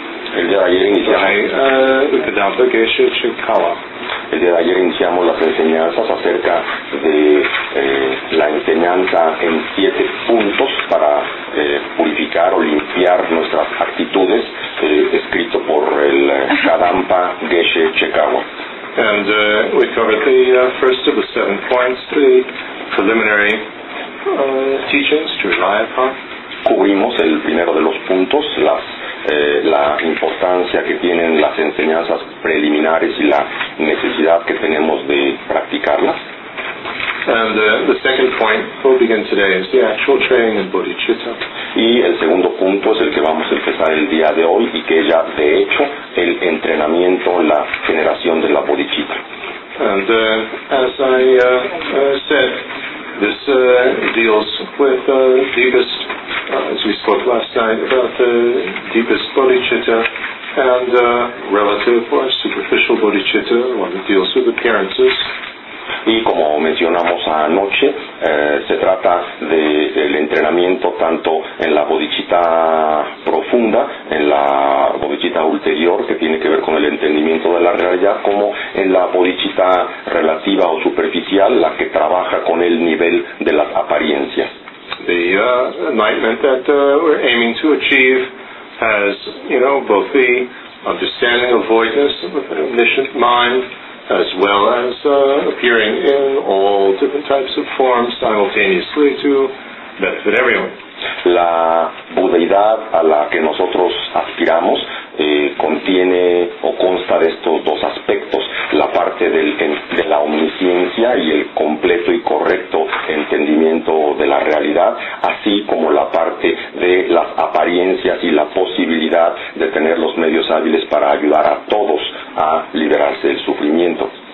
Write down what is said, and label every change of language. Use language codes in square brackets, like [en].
[es] Ayer iniciamos las enseñanzas acerca de la enseñanza en siete puntos para purificar o limpiar nuestras actitudes, escrito por el Kadampa Geshe Chekawa. [en] And we covered the first of the 7 points, the preliminary teachings to rely upon. [es] Cubrimos el primero de los puntos, la importancia que tienen las enseñanzas preliminares y la necesidad que tenemos de practicarlas. [en] And the second point we'll begin today is the actual training in bodichitas. [es] Y el segundo punto es el que vamos a empezar el día de hoy y que ya de hecho el entrenamiento, la generación de la bodichita. [en] And as I said, this deals with the deepest, as we spoke last night, about the deepest bodhicitta and relative or superficial bodhicitta, one that deals with appearances. [es] Y como mencionamos anoche, se trata del entrenamiento tanto en la bodhicitta profunda, en la bodhicitta ulterior, que tiene que ver con el entendimiento de la realidad, como en la bodhicitta relativa o superficial, la que trabaja con el nivel de las apariencias. [en] The enlightenment that we're aiming to achieve has, you know, both the understanding of voidness with an omniscient mind, as well as appearing in all different types of forms simultaneously to benefit everyone. [es] La budeidad a la que nosotros aspiramos contiene o consta de estos dos aspectos, la parte de la omnisciencia y el completo y correcto entendimiento de la realidad, así como la parte de las apariencias y la posibilidad de tener los medios hábiles para ayudar a todos a liberarse del sufrimiento.